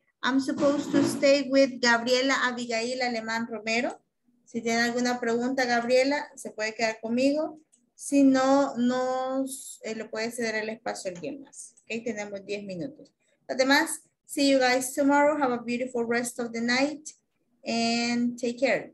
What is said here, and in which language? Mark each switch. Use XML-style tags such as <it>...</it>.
<en>I'm supposed to stay with Gabriela Abigail Alemán Romero.</en> <es>Si tiene alguna pregunta, Gabriela, se puede quedar conmigo. Si no, le puede ceder el espacio a alguien más. Okay, tenemos 10 minutos. Además,</es> <en>see you guys tomorrow. Have a beautiful rest of the night and take care.</en>